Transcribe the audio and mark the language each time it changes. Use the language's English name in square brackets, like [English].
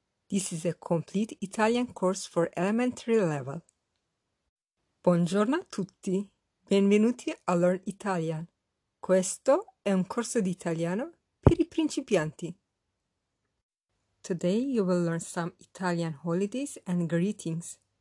[English] This is a complete Italian course for elementary level. [Italian] Buongiorno a tutti, benvenuti a Learn Italian. Questo è un corso di italiano per I principianti. [English] Today you will learn some Italian holidays and greetings.